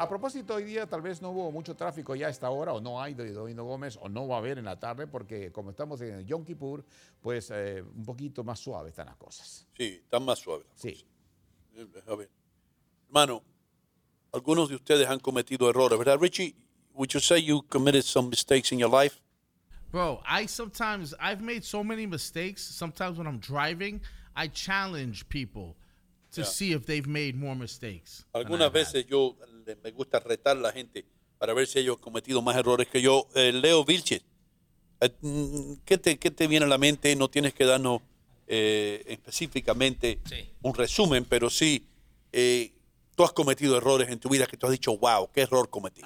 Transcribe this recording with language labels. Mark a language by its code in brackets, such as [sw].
[es] A propósito, hoy día tal vez no hubo mucho tráfico ya a esta hora, o no hay de Domingo Gómez, o no va a haber en la tarde, porque como estamos en Yom Kippur, pues un poquito más suave están las cosas. Sí, están más suaves. Sí. A ver. Hermano, algunos de ustedes han cometido errores, ¿verdad? [en] Richie, would you say you committed some mistakes in your life? Bro, I've made so many mistakes. Sometimes when I'm driving, I challenge people to see if they've made more mistakes. [es] Algunas veces yo me gusta retar la gente para ver si ellos han cometido más errores que yo. Leo Vilches, ¿qué te viene a la mente? No tienes que darnos específicamente un resumen, pero sí, tú has cometido errores en tu vida que tú has dicho, wow, qué error cometí.